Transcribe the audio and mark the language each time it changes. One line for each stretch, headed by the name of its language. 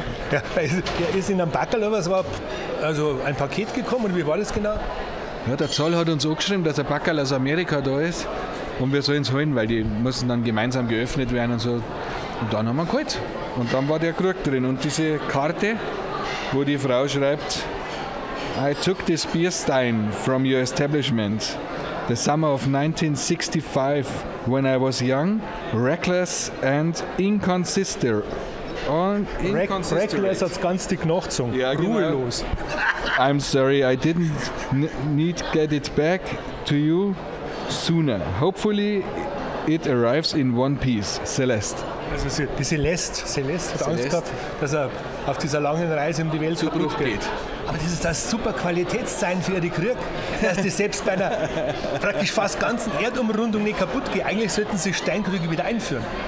German: Ja, ist in einem Backerl oder was? War also ein Paket gekommen und wie war das genau? Ja, der Zoll hat uns angeschrieben, dass ein Backerl aus Amerika da ist und wir sollen es holen, weil die müssen dann gemeinsam geöffnet werden und so. Und dann haben wir ihn geholt. Und dann war der Krug drin. Und diese Karte, wo die Frau schreibt,
English: I took this beer stein from your establishment the summer of 1965 when I was young, reckless and inconsistent.
German: Reckless hat ganz die Knochen zum. Ja, ruhelos. Genau.
English: I'm sorry, I didn't need get it back to you sooner. Hopefully it arrives in one piece. Celeste.
German: Also die Celeste hat Angst gehabt, dass er auf dieser langen Reise um die Welt zu Bruch geht. Aber das ist das super Qualitätszeichen für die Krug, dass die selbst bei einer praktisch fast ganzen Erdumrundung nicht kaputt geht. Eigentlich sollten sie Steinkrüge wieder einführen.